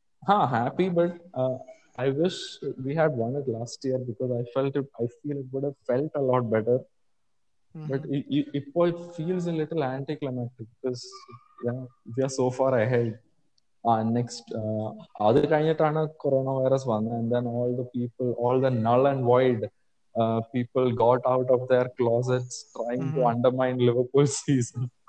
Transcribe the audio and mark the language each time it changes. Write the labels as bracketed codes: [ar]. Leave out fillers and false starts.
[en] ഹാ, happy, but I wish we had won it last year, because I felt it, I feel it would have felt a lot better. But it feels a little anticlimactic because, yeah, we are so far ahead. [ml] Next അത് കഴിഞ്ഞിട്ടാണ് corona virus വന്നത്. [en] And then all the people, all the null and void people got out of their closets trying to undermine Liverpool season.